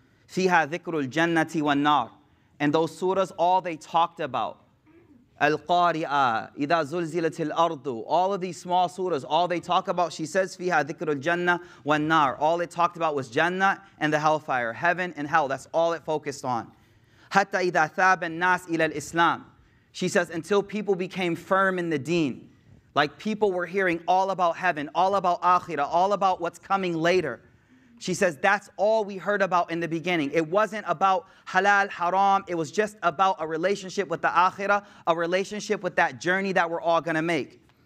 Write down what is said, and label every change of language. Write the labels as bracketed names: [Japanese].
[Arabic] فِيهَا ذِكْرُ الْجَنَّةِ وَالنَّارِ. [English] And those surahs, all they talked about, [Arabic] الْقَارِئَةِ إِذَا زُلْزِلَتِ الْأَرْضُ, [English] all of these small surahs, all they talk about, she says, فِيهَا ذِكْرُ الْجَنَّةِ وَالنَّارِ. All it talked about was Jannah and the hellfire, heaven and hell, that's all it focused on. [Arabic] حتى إذا ثاب الناس إلى الإسلام. [English] She says, until people became firm in the deen, like people were hearing all about heaven, all about akhirah, all about what's coming later. She says, that's all we heard about in the beginning. It wasn't about halal, haram. It was just about a relationship with the akhirah, a relationship with that journey that we're all gonna make.